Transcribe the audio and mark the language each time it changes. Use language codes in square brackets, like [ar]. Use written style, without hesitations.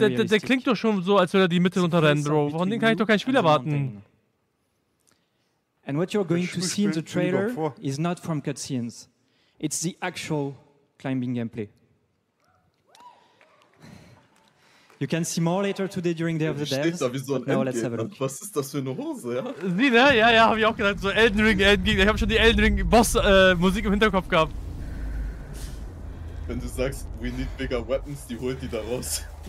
[de] der klingt doch schon so, als würde er die Mitte runterrennen, Bro. Von dem kann ich doch kein Spiel erwarten. [en] And what you're going to see in the trailer is not from cutscenes. It's the actual climbing gameplay. You can see more later today during Day of the Devs. [de] Steht da wie so ein Endgegner. [en] Let's have a look. [de] Was ist das für eine Hose, ja? Sie, ne? Ja, hab ich auch gedacht. So Elden Ring, Endgegner. Ich hab schon die Elden Ring Boss Musik im Hinterkopf gehabt. Wenn du sagst, [en] we need bigger weapons, [de] die holt die da raus.